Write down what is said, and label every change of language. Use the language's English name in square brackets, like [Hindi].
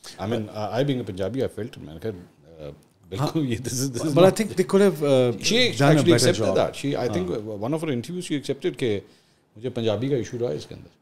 [English] I mean I being a Punjabi I felt, [Urdu] میں نے کہا [English] بالکل, but I think they could have she actually accepted that. She I think one of her interviews she accepted [Urdu] کہ مجھے پنجابی کا issue رہا اس کے اندر.